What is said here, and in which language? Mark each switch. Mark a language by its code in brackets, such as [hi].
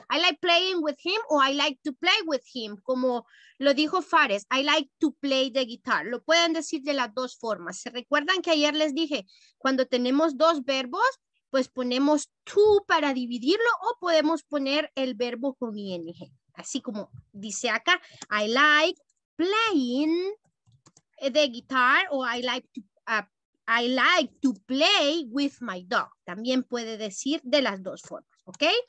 [en] I like playing with him o I like to play with him, [es] como lo dijo Fares, [en] I like to play the guitar. [es] Lo pueden decir de las dos formas. ¿Se recuerdan que ayer les dije, cuando tenemos dos verbos, pues ponemos to para dividirlo o podemos poner el verbo con ing? Así como dice acá, [en] I like playing the guitar o I like to play with my dog. [es] También puede decir de las dos formas, ¿ok?